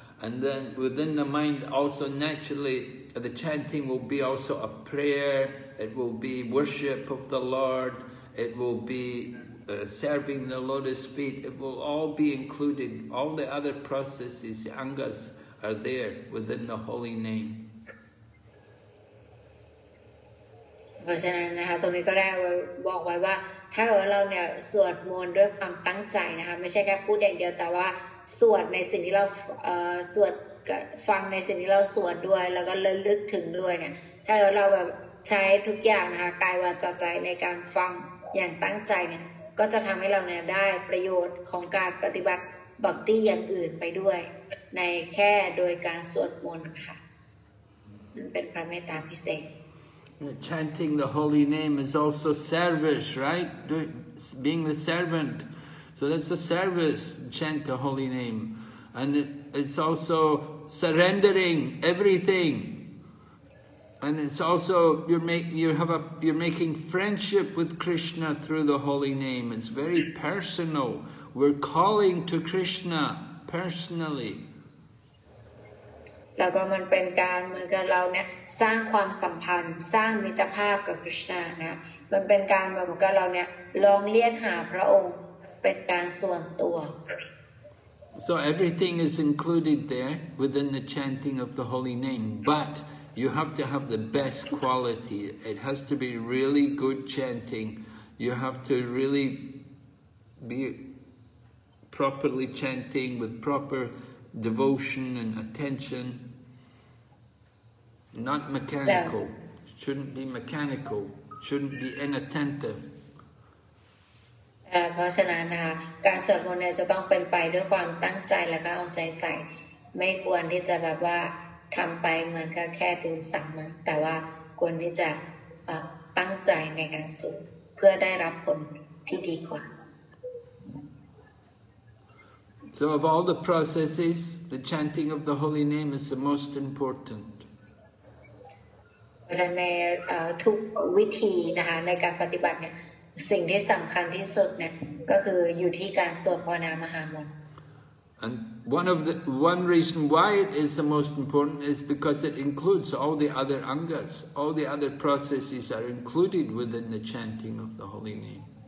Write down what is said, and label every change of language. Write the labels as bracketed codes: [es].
[en] And then within the mind also naturally, the chanting will be also a prayer, it will be worship of the Lord, it will be serving the lotus feet, it will all be included. All the other processes, the angas, are there within the holy name. [th] เพราะฉะนั้นนะคะตรงนี้ก็ได้บอกไว้ว่าถ้าเกิดว่าเราเนี่ยสวดมนต์ด้วยความตั้งใจนะคะไม่ใช่แค่พูดอย่างเดียวแต่ว่าสวดในสิ่งที่เราสวดฟังในสิ่งที่เราสวดด้วยแล้วก็ระลึกถึงด้วยเนี่ยถ้าเกิดเราแบบใช้ทุกอย่างนะคะกายวาจาใจในการฟังอย่างตั้งใจเนี่ยก็จะทำให้เราเนี่ยได้ประโยชน์ของการปฏิบัติบัคติอย่างอื่นไปด้วยในแค่โดยการสวดมนต์ค่ะนั่นเป็นพระเมตตาพิเศษ [en] Chanting the holy name is also service, right? Being the servant. So that's a service, chant the holy name. And it's also surrendering everything. And it's also, you're making friendship with Krishna through the holy name. It's very personal. We're calling to Krishna personally. [th] แล้วก็มันเป็นการเหมือนกับเราเนี่ยสร้างความสัมพันธ์สร้างมิตรภาพกับคริสต์นะคะมันเป็นการเหมือนกับเราเนี่ยลองเรียกหาพระองค์เป็นการส่วนตัว [en] so everything is included there within the chanting of the holy name but you have to have the best quality it has to be really good chanting you have to really be properly chanting with properDevotion and attention, not mechanical. Yeah. Shouldn't be mechanical. Shouldn't be inattentive. [th] เพราะฉะนั้นนะคะการสวดมนต์เนี่ยจะต้องเป็นไปด้วยความตั้งใจแล้วก็เอาใจใส่ไม่ควรที่จะแบบว่าทำไปเหมือนแค่ดูสั่งมาแต่ว่าควรที่จะตั้งใจในการสวดเพื่อได้รับผลที่ดีกว่า [en] So of all the processes, the chanting of the holy name is the most important. [th] ในทุกวิธีนะคะในการปฏิบัติเนี่ยสิ่งที่สำคัญที่สุดเนี่ยก็คืออยู่ที่การสวดภาวนามหามนต์ [en] And one reason why it is the most important is because it includes all the other angas, all the other processes are included within the chanting of the holy name.